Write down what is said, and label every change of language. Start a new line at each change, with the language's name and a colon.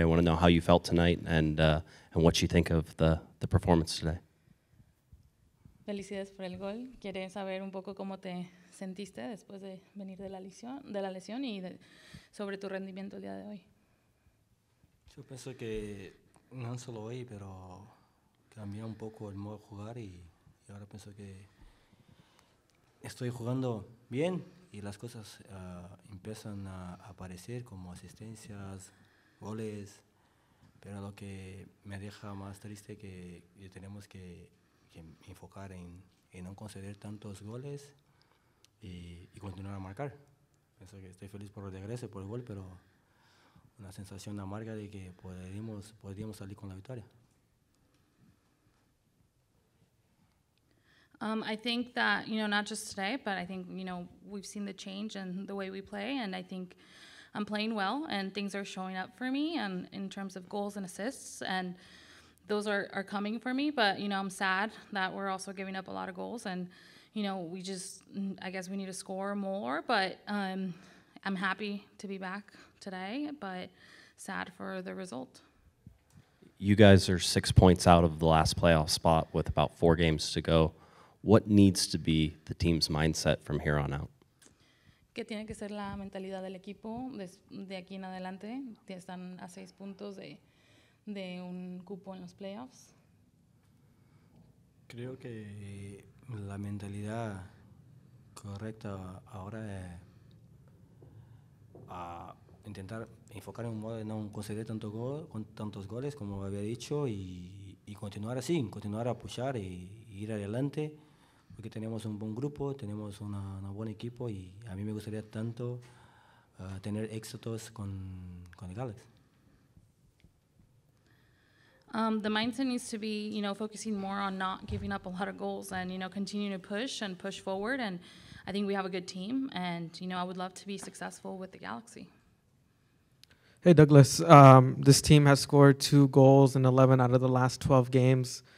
English: I want to know how you felt tonight and what you think of the performance today.
Spanish: Felicidades por el gol. Quiere saber un poco cómo te sentiste después de venir de la lesión y de, sobre tu rendimiento el día de hoy. Yo pienso que no solo hoy, pero cambió un poco el modo de jugar y ahora pienso que estoy jugando bien y las cosas empiezan a aparecer como asistencias, goles, pero lo que me deja más triste que tenemos que enfocar en no conceder tantos goles y continuar a marcar. Pienso que estoy feliz por el regreso, por el gol, pero una sensación amarga de que podríamos salir con la victoria.
English: I think that, you know, not just today, but I think, you know, we've seen the change in the way we play, and I think I'm playing well, and things are showing up for me and in terms of goals and assists, and those are coming for me, but, you know, I'm sad that we're also giving up a lot of goals, and, you know, we just, I guess we need to score more, but I'm happy to be back today, but sad for the result. You guys are 6 points out of the last playoff spot with about 4 games to go. What needs to be the team's mindset from here on out?
Spanish: ¿Qué tiene que ser la mentalidad del equipo de aquí en adelante? Están a 6 puntos de un cupo en los playoffs. Creo que la mentalidad correcta ahora es a intentar enfocar en un modo de no conceder tantos goles, como había dicho, y continuar así, continuar a pushar y ir adelante. Porque tenemos un buen grupo, tenemos un buen equipo y a mí me gustaría tanto tener éxitos con el Gales.
English: The mindset needs to be, you know, focusing more on not giving up a lot of goals and, you know, continuing to push and push forward. And I think we have a good team and, you know, I would love to be successful with the Galaxy. Hey, Douglas, this team has scored 2 goals in 11 out of the last 12 games.